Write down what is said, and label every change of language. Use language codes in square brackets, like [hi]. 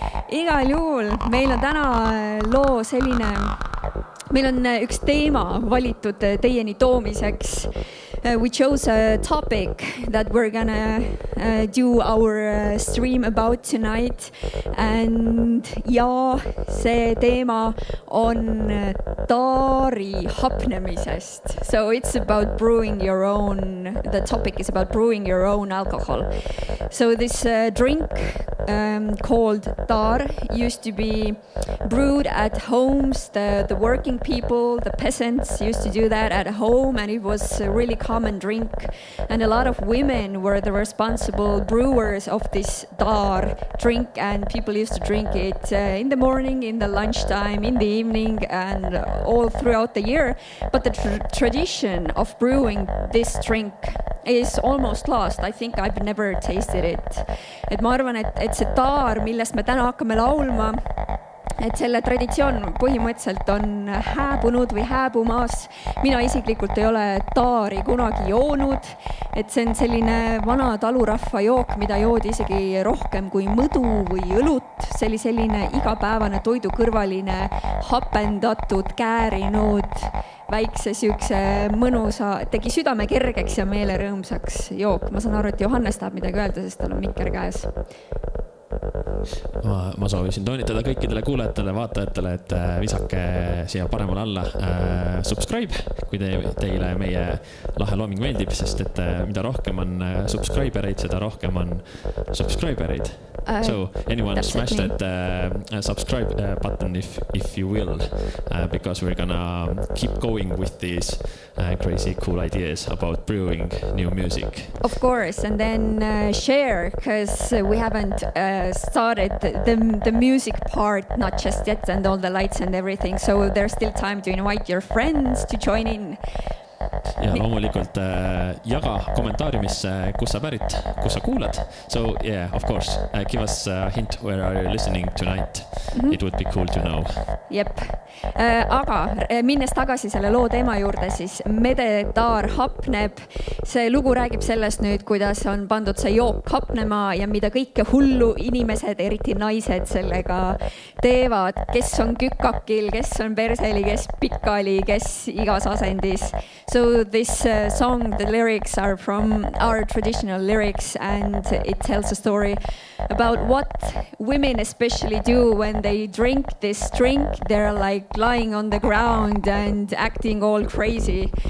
[et] Igal juhul, meil on täna loo selline, meil on üks teema valitud teieni toomiseks. [en] We chose a topic that we're gonna do our stream about tonight, and [et] ja see teema on taari hapnemisest. [en] So it's about brewing your own, the topic is about brewing your own alcohol. So this drink called taar used to be brewed at homes. The working people, the peasants used to do that at home, and it was really common and drink, and a lot of women were the responsible brewers of this taar drink, and people used to drink it in the morning, in the lunchtime, in the evening, and all throughout the year. But the tradition of brewing this drink is almost lost. I think I've never tasted it. [et] Et ma arvan, et see taar, millest me täna hakkame laulma, et selle traditsioon põhimõtteliselt on hääbunud või hääbumas. Mina isiklikult ei ole taari kunagi joonud, et see on selline vana talurahva jook, mida joodi isegi rohkem kui mõdu või õlut. See oli selline igapäevane toidu kõrvaline, hapendatud, käärinud, väikses ükse mõnusa, tegi südame kergeks ja meele rõõmsaks jook. Ma saan aru, et Johannes tahab midagi öelda, sest tal on mikker käes. Ma soovisin toonitada kõikidele kuulajatele, vaatajatele, et visake siia paremal alla subscribe, kui teile meie lahe looming meeldib, sest et mida rohkem on subscribereid, seda rohkem on subscribereid. [en] So anyone smash that subscribe button if you will, because we're gonna keep going with these crazy cool ideas about brewing new music. Of course, and then share, because we haven't started the music part, not just yet, and all the lights and everything, so there's still time to invite your friends to join in. [et] Ja loomulikult jaga kommentaariumisse, kus sa pärit, kus sa kuulad. [en] So yeah, of course, give us a hint where are you listening tonight. Mm-hmm. It would be cool to know. [et] Jep. Aga minnes tagasi selle loo teema juurde, siis Mede taar hapneb. See lugu räägib sellest nüüd, kuidas on pandud see jook hapnema ja mida kõike hullu inimesed, eriti naised sellega teevad. Kes on kükkakil, kes on perseli, kes pikali, kes igas asendis. [en] So this song, the lyrics are from our traditional lyrics, and it tells a story about what women especially do when they drink this drink. They're like lying on the ground and acting all crazy.